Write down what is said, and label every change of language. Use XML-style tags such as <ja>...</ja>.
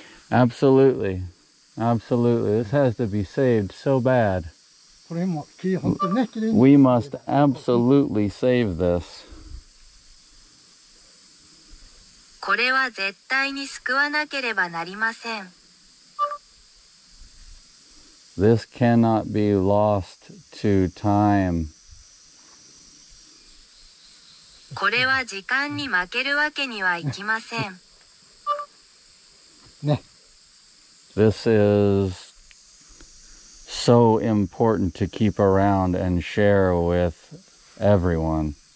<en>Absolutely, absolutely. This has to be saved so bad. We must absolutely save this.</en> <ja>これは絶対に救わなければなりません。</ja> <en>This cannot be lost to time.</en> <ja>これは時間に負けるわけにはいきません。ね。</ja> <en>This is so important to keep around and share with everyone.</en>